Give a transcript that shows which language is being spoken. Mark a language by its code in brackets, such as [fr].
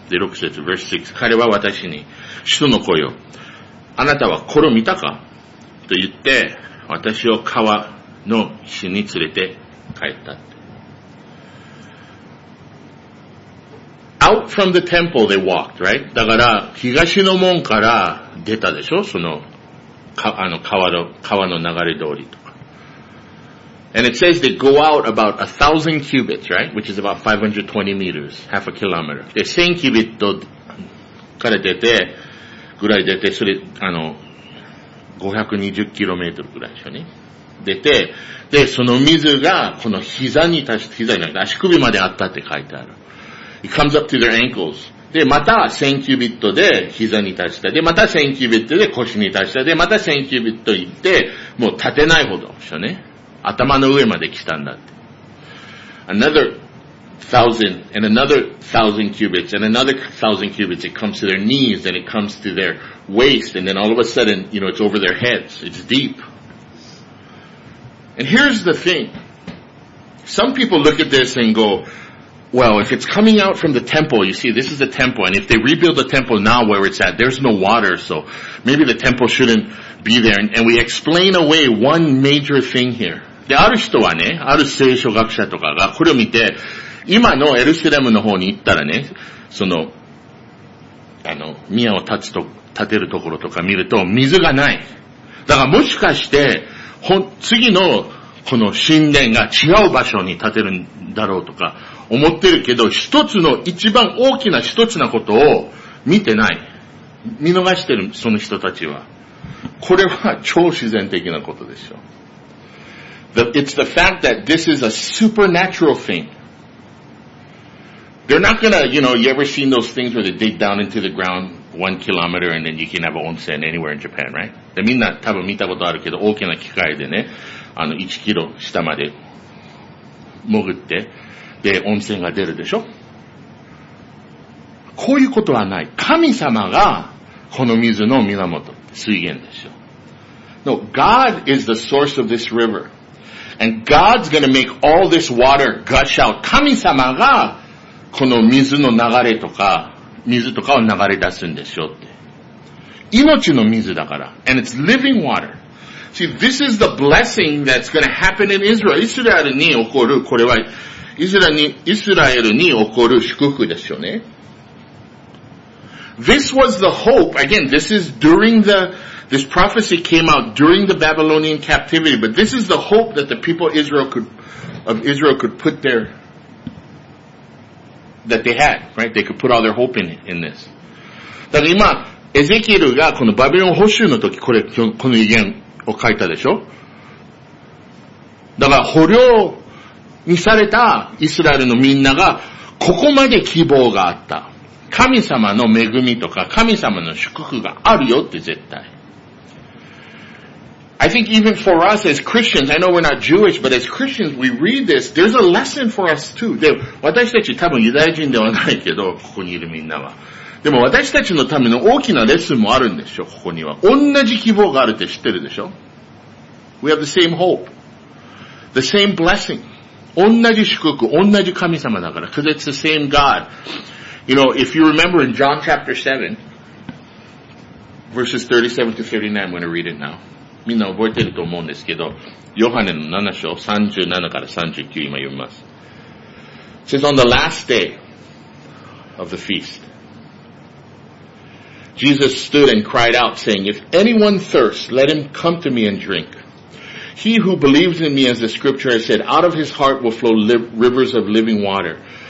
[ja] で、6節、 [en] verse 6、 [ja] 彼は私に、主の声よ、あなたはこれを見たかと言って、私を川の岸に連れて帰った。 [en] Out from the temple they walked, right? [ja] だから、東の門から出たでしょ、その、川の流れ通りとか。 [en] And it says they go out about 1,000 cubits, right? Which is about 520 meters, half a kilometer. [ja] で、1000キュビットから出て、ぐらい出て、それ、520キロメートルぐらいでしょうね。出て、で、その水がこの膝に達して、膝じゃなくて足首まであったって書いてある。 [en] It comes up to their ankles. [ja] で、また1000キュビットで膝に達した。で、また1000キュビットで腰に達した。で、また1000キュビット行って、もう立てないほどでしょね。頭の上まで来たんだって。 [en] Another thousand, and another thousand cubits, and another thousand cubits, it comes to their knees, and it comes to their waist, and then all of a sudden, you know, it's over their heads. It's deep. And here's the thing. Some people look at this and go,Well, if it's coming out from the temple, you see, this is the temple, and if they rebuild the temple now where it's at, there's no water, so maybe the temple shouldn't be there. And we explain away one major thing here. [ja] で、ある人はね、ある聖書学者とかがこれを見て、今のエルサレムの方に行ったらね、その、宮を建てるところとか見ると、水がない。だからもしかして、次のこの神殿が違う場所に建てるんだろうとか、思ってるけど、一つの一番大きな一つなことを見てない。見逃してる、その人たちは。これは超自然的なことでしょう。 [en] It's the fact that this is a supernatural thing. They're not gonna, you know, you ever seen those things where they dig down into the ground 1 kilometer and then you can have an onsen anywhere in Japan, right? [ja] で、みんな多分見たことあるけど、大きな機械でね、1キロ下まで潜って、で、温泉が出るでしょ？こういうことはない。神様がこの水の源、水源でしょ。 [en] No, God is the source of this river. And God's gonna make all this water gush out. [ja] 神様がこの水の流れとか、水とかを流れ出すんでしょって。命の水だから。 [en] And it's living water. See, this is the blessing that's gonna happen in Israel. [ja] Israel に起こる、これは、イスラエルに起こる祝福ですよね。 [en] This was the hope. Again, this is during this prophecy came out during the Babylonian captivity, but this is the hope that the people of Israel could put their that they had, right? They could put all their hope in this. [ja] だから今、エゼキエルがこのバビロン捕囚の時、これ、この言言を書いたでしょ？だから捕虜にされたイスラエルのみんなが、ここまで希望があった。神様の恵みとか、神様の祝福があるよって絶対。 [en] I think even for us as Christians, I know we're not Jewish, but as Christians, we read this, there's a lesson for us too. [ja] で、私たち多分ユダヤ人ではないけど、ここにいるみんなは。でも私たちのための大きなレッスンもあるんでしょ、ここには。同じ希望があるって知ってるでしょ [en] ?We have the same hope. The same blessing. [ja] 同じ祝福、同じ神様だから。 [en] Because it's the same God. You know, if you remember in John chapter 7, verses 37 to 39, I'm going to read it now. [ja] みんな覚えてると思うんですけど、ヨハネの7章37から39今読みます。 [en] It says, on the last day of the feast, Jesus stood and cried out, saying, If anyone thirsts, let him come to me and drink. He who believes in me, as the scripture has said, out of his heart will flow rivers of living water.